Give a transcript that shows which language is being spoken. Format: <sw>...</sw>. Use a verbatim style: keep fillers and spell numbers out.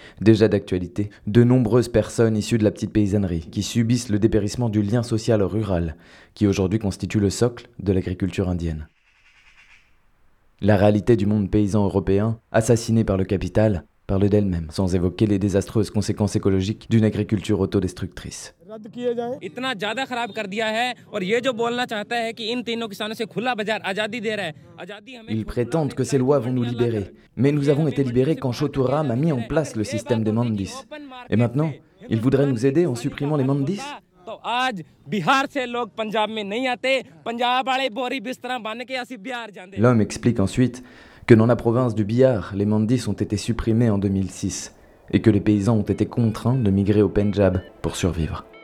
<fr>Déjà d'actualité, de nombreuses personnes issues de la petite paysannerie qui subissent le dépérissement du lien social rural, qui aujourd'hui constitue le socle de l'agriculture indienne. La réalité du monde paysan européen, assassiné par le capital, parle d'elle-même, sans évoquer les désastreuses conséquences écologiques d'une agriculture autodestructrice.</fr> <hi>इतना ज्यादा खराब कर दिया है और ये जो बोलना चाहता है कि इन तीनों किसानों से खुला बाजार आजादी दे रहा है आजादी हमें</hi> <fr>Ils prétendent que ces lois vont nous libérer, mais nous avons été libérés quand Choturam a mis en place le système des mandis. Et maintenant, ils voudraient nous aider en supprimant les mandis?</fr> <hi>तो आज बिहार से लोग पंजाब में नहीं आते, पंजाब वाले बोरी बिस्तरा बन के</hi> <pa>असि बिहार जांदे.</pa> <fr>L'homme explique ensuite que dans la province du Bihar, les mandis ont été supprimés en deux mille six et que les paysans ont été contraints de migrer au Pendjab pour survivre.</fr>